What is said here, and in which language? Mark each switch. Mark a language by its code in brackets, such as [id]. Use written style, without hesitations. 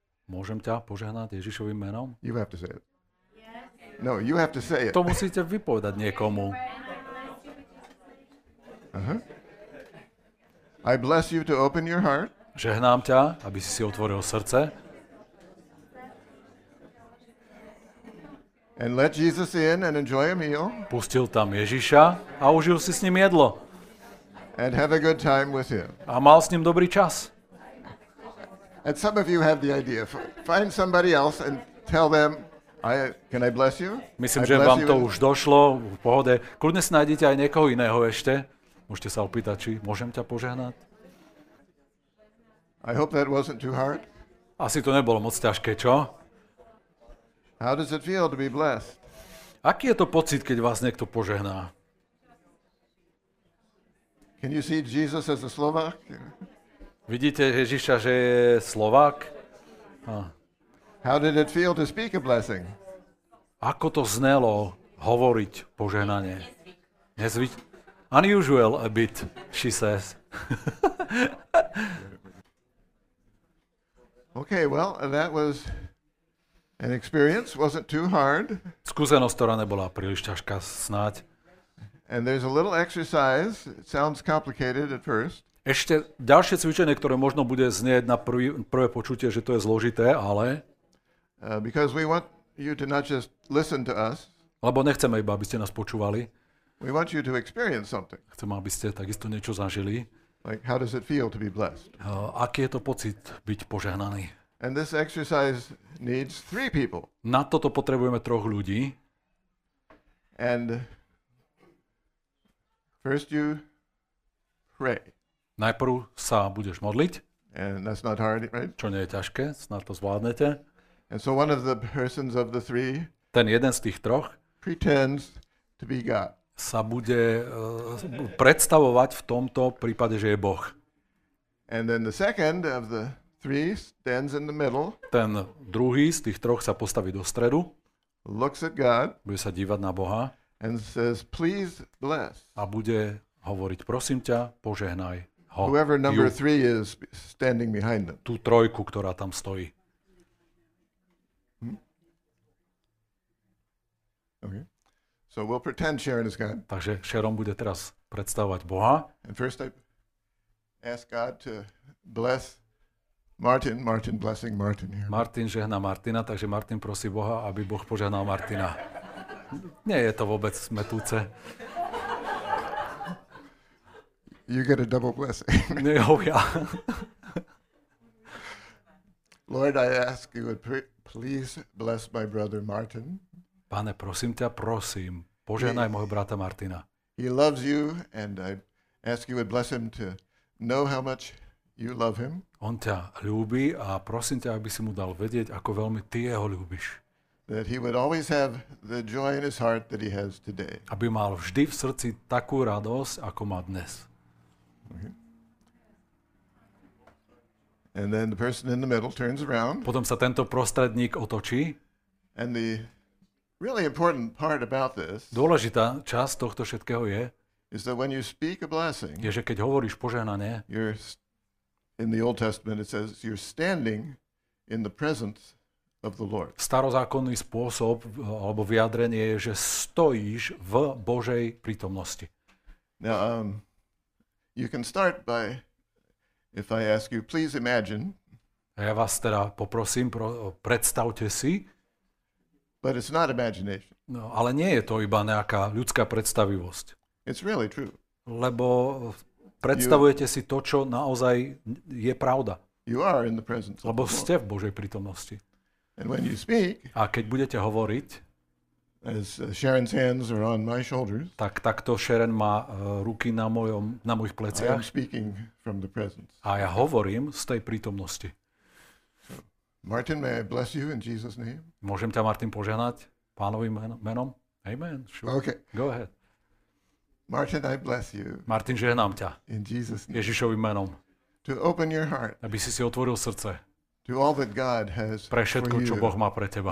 [sk] Môžem ťa požehnať Ježišovým menom? [en] You have to say it. No, you have to say it. [sk] To musíte vypovedať niekomu. Uh-huh. [en] I bless you to open your heart. [sk] Žehnám ťa, aby si si otvoril srdce. [en] And let Jesus in and enjoy a meal. [sk] Pustil tam Ježiša a užil si s ním jedlo. [en] And have a good time with him. [sk] A mal s ním dobrý čas. [en] And some of you have the idea. Find somebody else and tell them, can I bless you? [sk] Myslím, že vám to už došlo, v pohode. Kľudne si nájdete aj niekoho iného ešte. Môžete sa opýtať, či môžem ťa požehnať. [en] I hope that wasn't too hard. [sk] Asi to nebolo moc ťažké, čo? [en] How does it feel to be blessed? [sk] Aký je to pocit, keď vás niekto požehná? [en] Can you see Jesus as a Slovak? [sk] Vidíte Ježiša, že je Slovák? [en] How did it feel to speak a blessing? [sk] Ako to znelo hovoriť požehnanie? [en] Unusual a bit, she says. Okay, well, that was an experience. Wasn't too hard. [sk] Skúsenosť, ktorá nebola príliš ťažká, snáď. [en] And there's a little exercise. It sounds complicated at first. [sk] Ešte ďalšie cvičenie, ktoré možno bude znieť na prvé počutie, že to je zložité, ale... [en] Because we want you to not just listen to us. [sk] Lebo nechceme iba, aby ste nás počúvali. [en] We want you to experience something. [sk] Chceme, aby ste takisto niečo zažili. [en] Like how does it feel to be blessed? [sk] Aký je to pocit byť požehnaný? [en] And this exercise needs three people. [sk] Na toto potrebujeme troch ľudí. [en] And first you pray. [sk] Najprv sa budeš modliť. [en] And that's not hard, right? [sk] Čo nie je ťažké, snad to zvládnete. [en] And so one of the persons of the three. [sk] Ten jeden z tých troch. [en] Pretends to be God. [sk] Sa bude predstavovať v tomto prípade, že je Boh. [en] And then the second of the three stands in the middle. [sk] Ten druhý z tých troch sa postaví do stredu. [en] Looks at God. [sk] Bude sa dívať na Boha. [en] And says, please bless. [sk] A bude hovoriť, prosím ťa, požehnaj ho. [en] Whoever number three is standing behind them. [sk] Tú trojku, ktorá tam stojí. [en] Okay. So we'll pretend Sharon is God. [sk] Takže Sharon bude teraz predstavovať Boha. [en] And first I ask God to bless Martin. Martin blessing Martin here. [sk] Martin žehná Martina, takže Martin prosí Boha, aby Boh požehnal Martina. Nie je to vôbec smetúce. [en] You get a double blessing. [sk] Nie, ja. [en] Lord, I ask you would please bless my brother Martin. [sk] Pane, prosím ťa, prosím, požehnaj môjho brata Martina. [en] He loves you and I ask you would bless him to know how much you love him. [sk] On ťa ľúbi a prosím ťa, aby si mu dal vedieť, ako veľmi ty jeho ľúbiš. [en] That he would always have the joy in his heart that he has today. [sk] Aby mal vždy v srdci takú radosť, ako má dnes. [en] Okay. And then the person in the middle turns around. [sk] Potom sa tento prostredník otočí. [en] And the really important part about this. [sk] Dôležitá časť tohto všetkého je, [en] is that when you speak a blessing, [sk] je, že keď hovoríš požehnanie, [en] in the Old Testament it says you're standing in the presence of the Lord. [sk] Starozákonný spôsob alebo vyjadrenie je, že stojíš v Božej prítomnosti. [en] Now, you can start by, if I ask you, please imagine. [sk] A ja vás teda poprosím, predstavte si. [en] But it's not imagination. [sk] No, ale nie je to iba nejaká ľudská predstavivosť. [en] It's really true. [sk] Lebo predstavujete si to, čo naozaj je pravda. [en] You are in the presence. [sk] Lebo ste v Božej prítomnosti. [en] And when you speak, [sk] a keď budete hovoriť, [en] as Sharon's hands are on my shoulders, [sk] tak takto Sharon má ruky na mojom, na mojich pleciach. [en] I am speaking from the presence. [sk] A ja hovorím z tej prítomnosti. [en] Martin, may I bless you in Jesus' name? [sk] Môžem ťa, Martin, požehnať Pánovým menom? [en] Amen. Sure. Okay. Go ahead. Martin, I bless you. [sk] Martin, žehnám ťa. [en] In Jesus' name. [sk] Ježišovým menom. [en] To open your heart. [sk] Aby si otvoril srdce. [en] To all that God has [sk] pre všetko, čo Boh má pre teba.